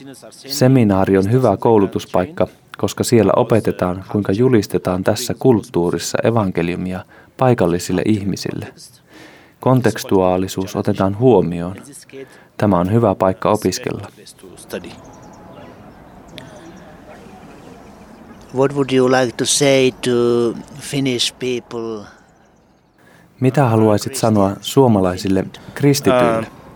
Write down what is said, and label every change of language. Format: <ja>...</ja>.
<fi>Seminaari on hyvä koulutuspaikka, koska siellä opetetaan, kuinka julistetaan tässä kulttuurissa evankeliumia paikallisille ihmisille. Kontekstuaalisuus otetaan huomioon. Tämä on hyvä paikka opiskella.</fi> <en>What would you like to say to Finnish people?</en> <fi>Mitä haluaisit sanoa suomalaisille kristityille?</fi>